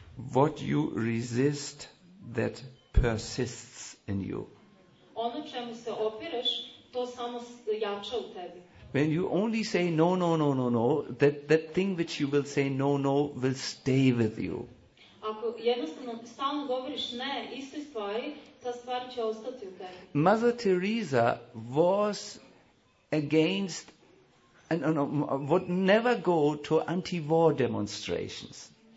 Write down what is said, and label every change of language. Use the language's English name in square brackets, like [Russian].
[English] What you resist, that persists in you. [Serbian] Ono čemu se opireš, to samo jača u tebi. [English] When you only say no, that thing which you will say no will stay with you. [Serbian] Ako jednostavno stalno govoriš ne istoj stvari, ta stvar će ostati u tebi. [English] Mother Teresa was against And no, would never go to anti-war demonstrations.